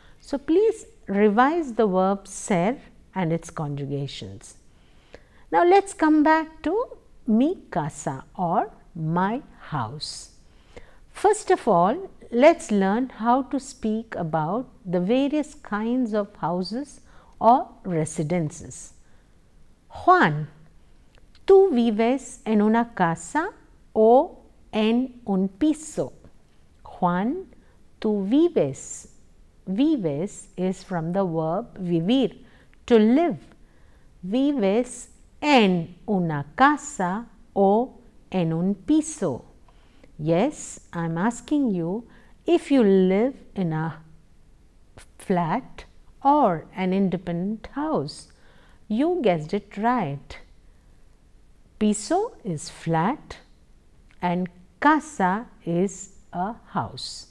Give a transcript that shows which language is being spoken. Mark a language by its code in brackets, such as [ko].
[en] So please revise the verb ser and its conjugations. Now let's come back to [es] mi casa [en] or my house. First of all, let's learn how to speak about the various kinds of houses or residences. [es] Juan, tú vives en una casa o en un piso. Juan, tú vives. [en] Vives is from the verb vivir, to live. [es] Vives en una casa o en un piso. [en] Yes, I'm asking you if you live in a flat or an independent house. You guessed it right. Piso is flat and casa is a house.